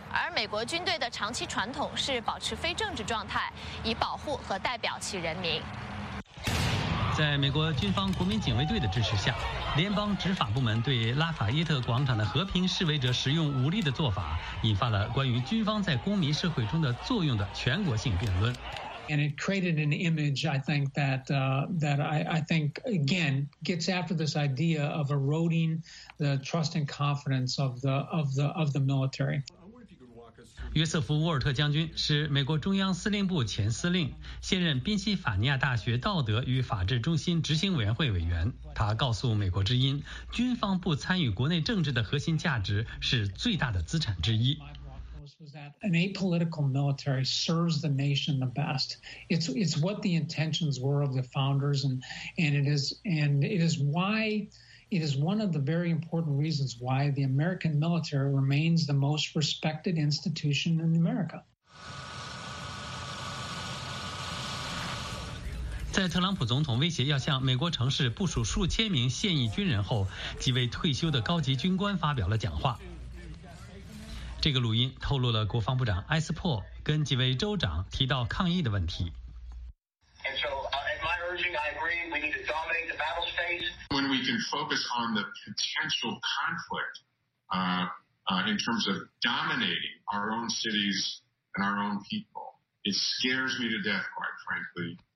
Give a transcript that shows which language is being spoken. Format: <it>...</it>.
<zh>而美国军队的长期传统是保持非政治状态，以保护和代表其人民。在美国军方国民警卫队的支持下，联邦执法部门对拉法耶特广场的和平示威者使用武力的做法，引发了关于军方在公民社会中的作用的全国性辩论。</zh> <en>And it created an image, I think, that I think, again, gets after this idea of eroding the trust and confidence of the military.</en> <zh>约瑟夫·沃尔特将军是美国中央司令部前司令，现任宾夕法尼亚大学道德与法治中心执行委员会委员。他告诉美国之音，军方不参与国内政治的核心价值是最大的资产之一。</zh> <en>Was that an apolitical military serves the nation the best? It's what the intentions were of the founders, and it is one of the very important reasons why the American military remains the most respected institution in America.</en> <zh>在特朗普总统威胁要向美国城市部署数千名现役军人后，几位退休的高级军官发表了讲话。这个录音透露了国防部长埃斯珀跟几位州长提到抗议的问题。</zh> <en>And so, at my urging, I agree we need to dominate the battle space. When we can focus on the potential conflict, in terms of dominating our own cities and our own people, it scares me to death, quite frankly.</en>